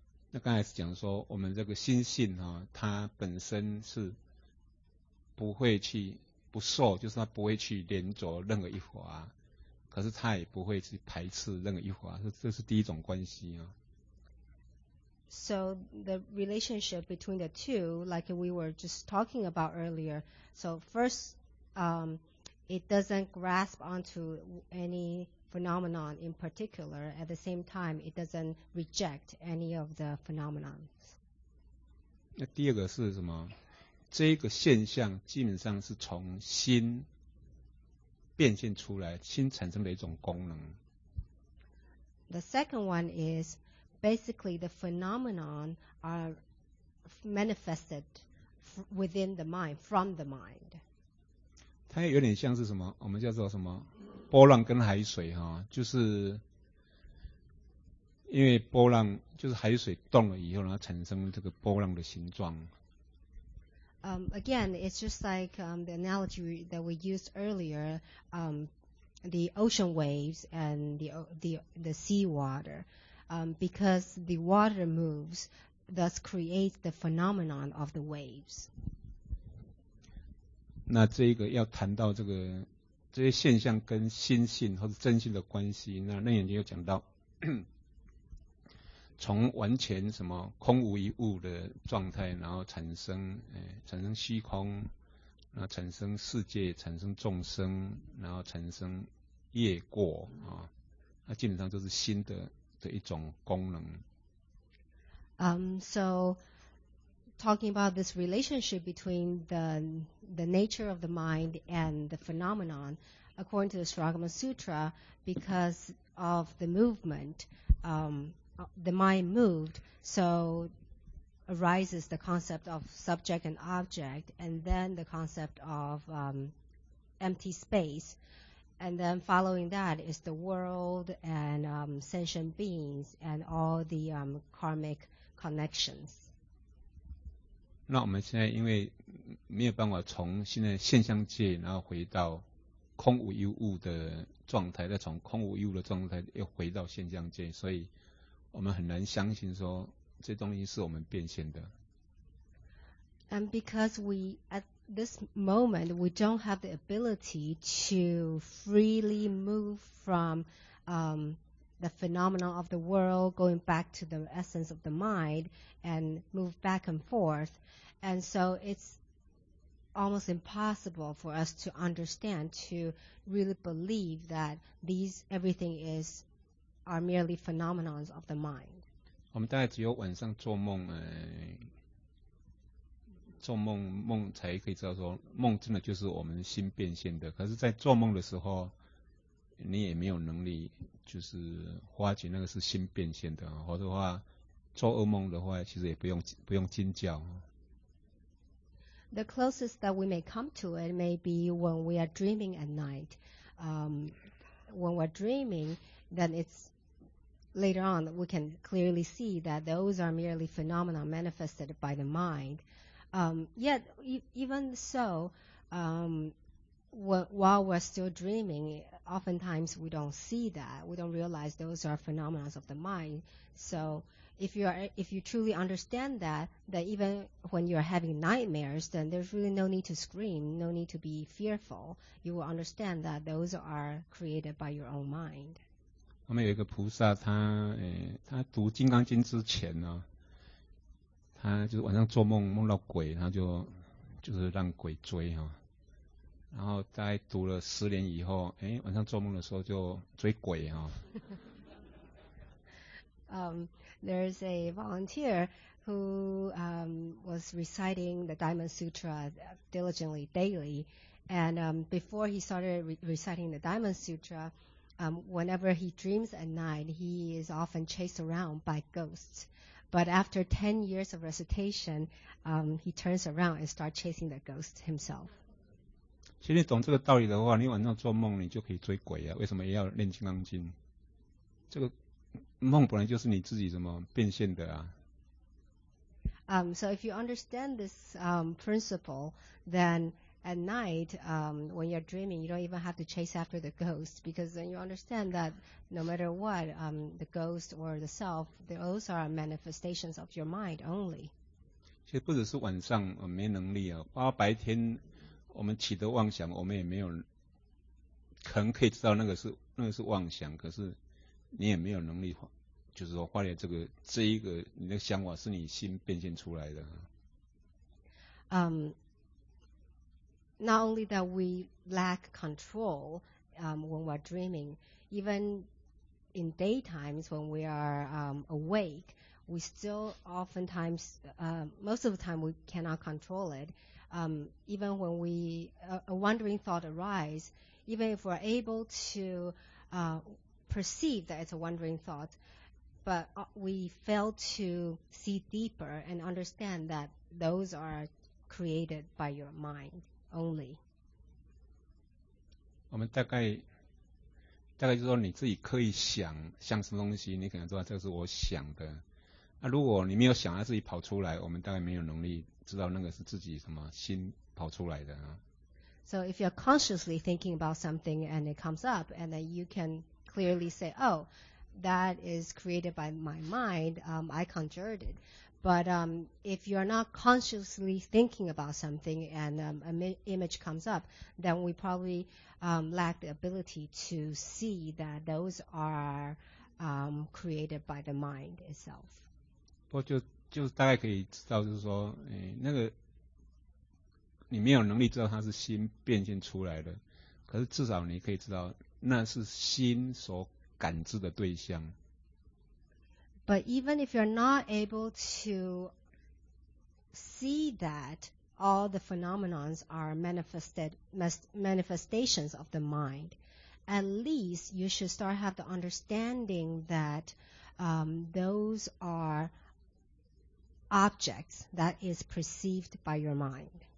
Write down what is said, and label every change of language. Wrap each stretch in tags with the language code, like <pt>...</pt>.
<zh>那刚才是讲说我们这个心性、啊、它本身是不会去不受，就是它不会去连着任何一法、啊、可是它也不会去排斥任何一法、啊、这是第一种关系啊。</zh> <en>So the relationship between the two, like we were just talking about earlier, so first, it doesn't grasp onto any phenomenon in particular. At the same time, it doesn't reject any of the phenomena.</en> <zh>那第二个是什么？这个现象基本上是从心变现出来，心产生的一种功能。</zh> <en>The second one is,basically, the phenomenon are manifested within the mind, from the mind.</en> <zh>它有点像是什么？我们叫做什么？波浪跟海水哈、啊，就是因为波浪就是海水动了以后，然后产生这个波浪的形状。</zh> <en>Again, it's just like the analogy that we used earlier. The ocean waves and the sea water. Because the water moves, thus creates the phenomenon of the waves.</en> <zh>那这一个要谈到这个这些现象跟心性或是真性的关系，那楞严经又讲到，从完全什么空无一物的状态，然后产生，产生虚空，然后产生世界，产生众生，然后产生业过啊，那基本上就是心的。的一种功能。</zh> <en>So, talking about this relationship between the nature of the mind and the phenomenon, according to the Sragama Sutra, because of the movement, the mind moved, so arises the concept of subject and object, and then the concept of empty space. And then following that is the world and sentient beings and all the karmic connections.</en> <zh>那我们现在因为没有办法从现在现象界然后回到空无一物的状态，再从空无一物的状态又回到现象界，所以我们很难相信说这东西是我们变现的。</zh> <en>And because we at this moment, we don't have the ability to freely move from the phenomena of the world, going back to the essence of the mind, and move back and forth. And so it's almost impossible for us to understand, to really believe that these everything is, are merely phenomena of the mind.</en> <zh>我们大概只有晚上做梦做梦，梦才可以知道说梦真的就是我们心变现的。可是，在做梦的时候，你也没有能力，就是发觉那个是心变现的。或者话，做噩梦的话，其实也不用惊叫。</zh> <en>The closest that we may come to it may be when we are dreaming at night. When we're dreaming, then it's later on we can clearly see that those are merely phenomena manifested by the mind. Yet, even so, while we're still dreaming, oftentimes we don't see that. We don't realize those are phenomena of the mind. So if you truly understand that even when you're having nightmares, then there's really no need to scream, no need to be fearful. You will understand that those are created by your own mind.</en> <zh>我们有一个菩萨，他读《金刚经》之前呢，他就是晚上做梦，梦到鬼，他就是让鬼追哈。然后在读了十年以后，晚上做梦的时候就追鬼哈。</zh> <en>There's a volunteer who was reciting the Diamond Sutra diligently daily, and before he started reciting the Diamond Sutra. Whenever he dreams at night, he is often chased around by ghosts. But after 10 years of recitation, he turns around and starts chasing the ghosts himself.</en> <zh>其实你懂这个道理的话，你晚上做梦你就可以追鬼啊，为什么也要练金刚经？这个梦本来就是你自己怎么变现的啊。</zh> <en>So if you understand this principle, then... At night, when you're dreaming, you don't even have to chase after the ghost because then you understand that no matter what, the ghost or the self, those are manifestations of your mind only.</en> <zh>其实不只是晚上没能力啊，包括白天我们起的妄想，我们也没有可能可以知道那个是妄想，可是你也没有能力，就是说化解这一个你的想法是你心变现出来的。</zh> <en>Not only that we lack control when we're dreaming, even in daytimes when we are awake, we still oftentimes, most of the time we cannot control it. Even when a wandering thought arises, even if we're able to perceive that it's a wandering thought, but we fail to see deeper and understand that those are created by your mind. Only.</en> <zh>我们大概就是说你自己刻意想什么东西，你可能知道这是我想的。那如果你没有想，它自己跑出来，我们大概没有能力知道那个是自己什么心跑出来的啊。</zh> <en>So if you're consciously thinking about something and it comes up, and then you can clearly say, "Oh, that is created by my mind. I conjured it." But if you're not consciously thinking about something and an image comes up, then we probably lack the ability to see that those are created by the mind itself.</en> <zh>不过就大概可以知道，就是说，那个你没有能力知道它是心变现出来的，可是至少你可以知道那是心所感知的对象。</zh> <en>But even if you're not able to see that all the phenomenons are manifestations of the mind, at least you should start have the understanding that those are objects that is perceived by your mind.</en>